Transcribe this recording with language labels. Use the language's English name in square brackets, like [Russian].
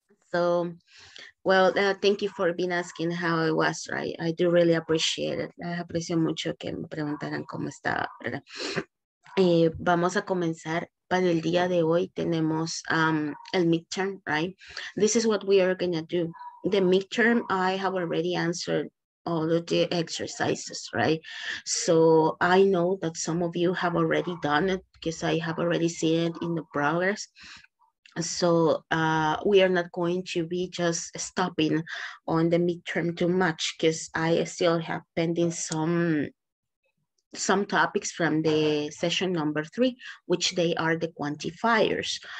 [English] So, well, thank you for being asking how it was, right? I do really appreciate it. [Spanish] Aprecio mucho que me preguntaran cómo estaba, ¿verdad? Vamos a comenzar. Para el día de hoy tenemos el midterm, right? [English] This is what we are going to do. The midterm, I have already answered all of the exercises, right? So I know that some of you have already done it because I have already seen it in the progress. So we are not going to be just stopping on the midterm too much because I still have pending some topics from the session number 3, which they are the quantifiers.